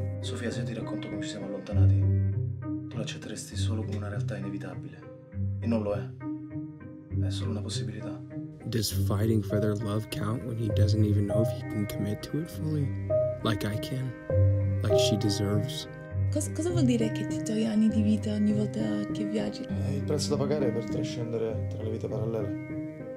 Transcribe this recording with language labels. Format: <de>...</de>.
<it>Sofia, se ti racconto come ci siamo allontanati, tu l'accetteresti solo come una realtà inevitabile. E non lo è. È solo una possibilità.</it> <en>Does fighting for their love count when he doesn't even know if he can commit to it fully? Like I can, like she deserves.</en> <it>Cosa vuol dire che ti togli anni di vita ogni volta che viaggi? Il prezzo da pagare per trascendere tra le vite parallele.</it>